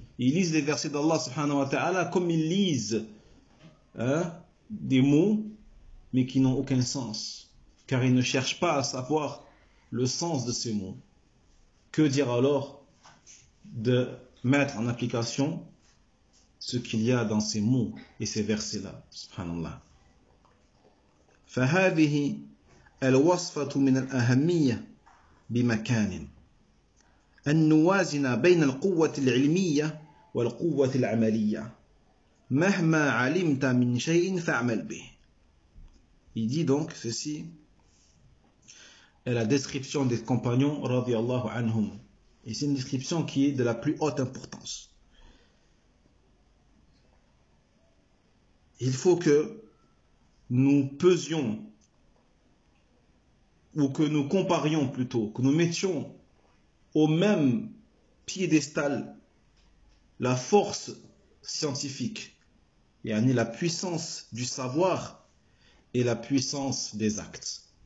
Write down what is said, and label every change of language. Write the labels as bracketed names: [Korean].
[French] Ils lisent les versets d'Allah subhanahu wa ta'ala comme ils lisent, hein, des mots, mais qui n'ont aucun sens, car ils ne cherchent pas à savoir le sens de ces mots. Que dire alors de mettre en application ce qu'il y a dans ces mots et ces versets-là, subhanallah. [Arabic] فَهَذِهِ الْوَصْفَةُ مِنَ الْأَهَمِّيَّ بِمَكَانٍ أن نوازن بين القوة العلمية والقوة العملية مهما علمت من شيء فاعمل به. [French] Il dit donc ceci est la description des compagnons radiallahu anhum. Et c'est une description qui est de la plus haute importance. Il faut que nous pesions, ou que nous comparions plutôt, que nous mettions au même piédestal la force scientifique, yani la puissance du savoir et la puissance des actes.